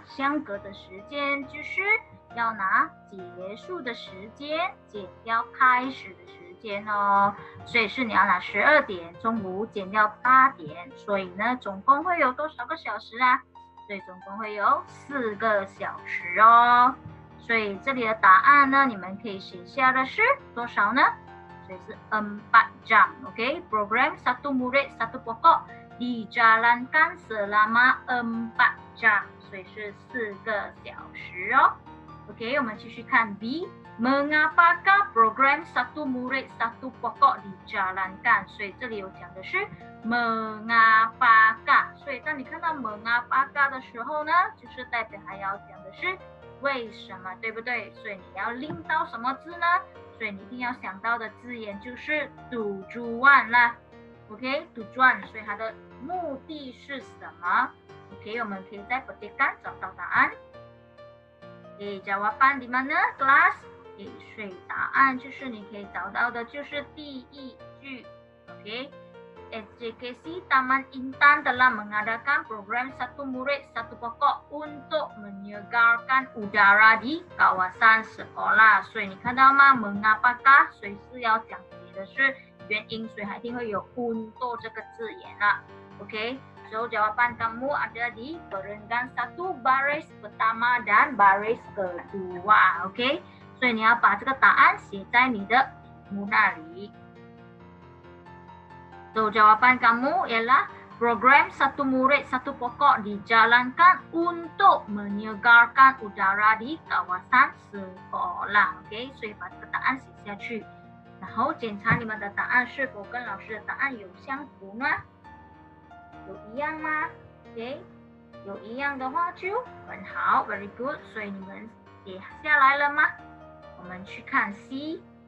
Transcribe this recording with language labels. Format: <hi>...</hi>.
<zh>相隔的时间就是要拿结束的时间减掉开始的时间。哦、所以是你要拿十二点中午减掉八点，所以呢总共会有多少个小时啊？所以总共会有四个小时哦。所以这里的答案呢，你们可以写下的是多少呢？</zh> <ms>所以是 empat jam， OK？ Program satu murid satu pokok dijalankan selama empat jam，</ms> <zh>所以是四个小时哦。</zh> <ms>OK， 我们继续看 B。 Mengapakah program satu murid satu pokok dijalankan？</ms> <zh>所以这里有讲的是 mengapakah， 所以当你看到 mengapakah 的时候呢，就是代表还要讲的是为什么，对不对？所以你要拎到什么字呢？所以你一定要想到的字眼就是 tujuan 啦， OK， tujuan， 所以它的目的是什么？ OK， 我们可以在 petikan 找到答案。</zh> <ms>Okay， jawapan di mana kelas？</ms> <zh>Okay， 所以答案就是你可以找到的就是第一句 ，OK。</zh> <ms>SJKC Taman Intan telah mengadakan program satu murid satu pokok untuk menyegarkan udara di kawasan sekolah。</ms> <zh>所以你看到吗 ？Mengapakah？ 所以是要讲解的是原因，所以还一定会有 untuk 这个字眼啦 ，OK。</zh> <ms>So jawapan kamu ada di perenggan satu baris pertama dan baris kedua， OK。</ms> <zh>所以你要把这个答案写在你的题目那里。</zh> <ms>So jawapan kamu ialah program satu murid satu pokok dijalankan untuk menyegarkan udara di kawasan sekolah。</ms> <zh>OK， 所以把这个答案写下去，然后检查你们的答案是否跟老师的答案有相符吗？有一样吗？ OK， 有一样的话就很好，</zh> <en>very good。</en> <zh>所以你们写下来了吗？我们去看 C。</zh>